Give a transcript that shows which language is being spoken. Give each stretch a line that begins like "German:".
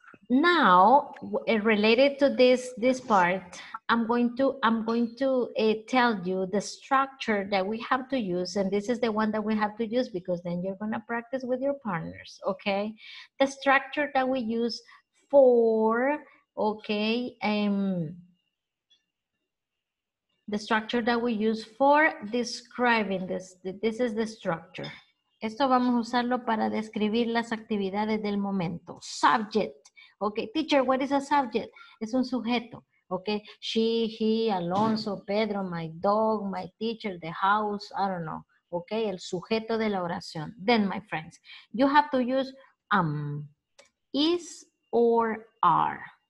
English: Now, related to this part, I'm going to tell you the structure that we have to use, and this is the one that we have to use because then you're going to practice with your partners, okay? The structure that we use for, okay, the structure that we use for describing this. This is the structure.
Spanish: Esto vamos a usarlo para describir las actividades del momento.
English: Subject. Okay, teacher, what is a subject?
Spanish: Es un sujeto.
English: Okay, she, he, Alonso, Pedro, my dog, my teacher, the house, I don't know. Okay,
Spanish: el sujeto de la oración.
English: Then, my friends, you have to use is or are.